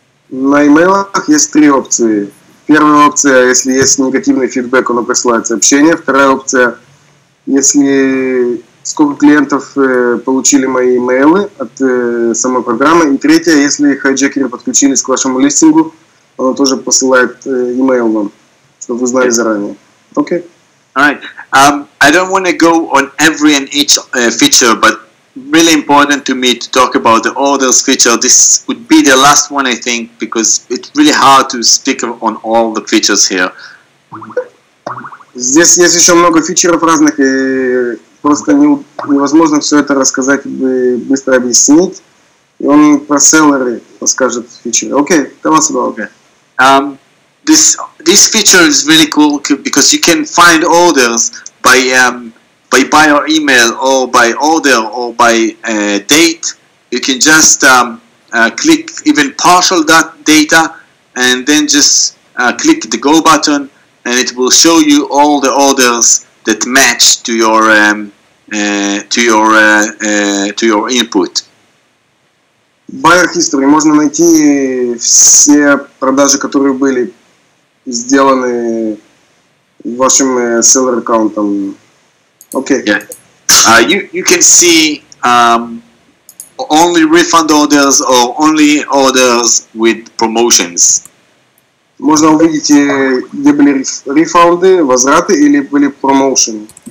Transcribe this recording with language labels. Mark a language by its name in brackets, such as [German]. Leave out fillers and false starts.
[Russian] На имейлах есть три опции. Первая опция, если есть негативный фидбэк, оно присылает сообщение. Вторая опция, если сколько клиентов получили мои имейлы от самой программы. И третья, если хайджекеры подключились к вашему листингу, оно тоже посылает имейл вам, чтобы вы знали заранее. Окей. [English] Alright. I don't want to go on every and each feature, but really important to me to talk about the orders feature. This would be the last one, I think, because it's really hard to speak on all the features here. [Russian] Здесь есть еще много фичеров разных, и просто невозможно все это рассказать, быстро объяснить. И он про селлеры расскажет фичеры. [English] Okay, tell us about it. This feature is really cool because you can find orders by buyer email or by order or by date. You can just click even partial that data and then just click the go button and it will show you all the orders that match to your to your input. [Russian] Buyer history, можно найти все продажи, которые были сделаны вашим seller аккаунтом. [English] Okay. Yeah. You can see only refund orders or only orders with promotions. [Russian] Можно увидеть, где были рефунды, возвраты или были промоушен.